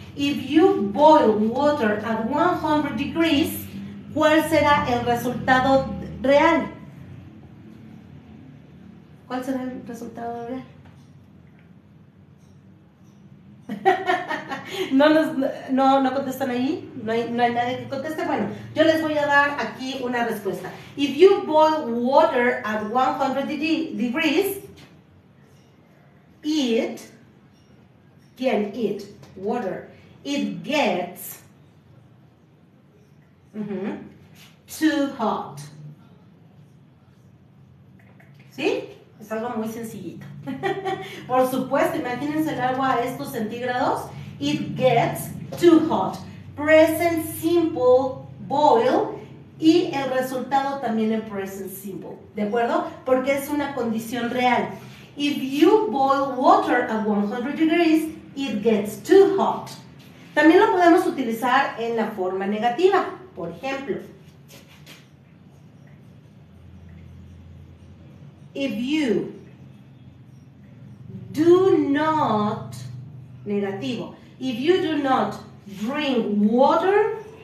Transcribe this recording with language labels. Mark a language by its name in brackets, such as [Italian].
[English] If you boil water at 100 degrees, [Spanish] ¿cuál será el resultado real? ¿Cuál será el resultado real? No contestan ahí, no hay nadie que conteste. Bueno, yo les voy a dar aquí una respuesta. [English] If you boil water at 100 degrees, it gets too hot. [Spanish] ¿Sí? Es algo muy sencillito. Por supuesto, imagínense el agua a estos centígrados. [English] It gets too hot. Present simple boil. [Spanish] Y el resultado también en present simple. ¿De acuerdo? Porque es una condición real. [English] If you boil water at 100 degrees, it gets too hot. [Spanish] También lo podemos utilizar en la forma negativa. Por ejemplo, [English] if you do not, [Spanish] negativo, [English] if you do not drink water,